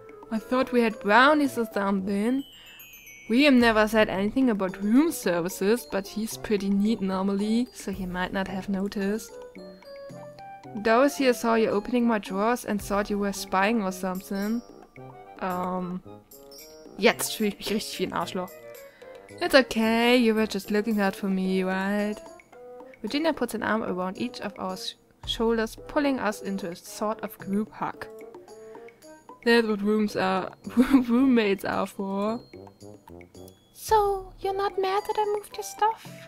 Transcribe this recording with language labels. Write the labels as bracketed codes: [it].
[en] I thought we had brownies or something. William never said anything about room services, but he's pretty neat normally, so he might not have noticed. Doris here saw you opening my drawers and thought you were spying or something. [de] Jetzt fühle ich mich richtig wie ein Arschloch. [en] It's okay, you were just looking out for me, right? Virginia puts an arm around each of our shoulders, pulling us into a sort of group hug. That's what roommates are for. So, you're not mad that I moved your stuff?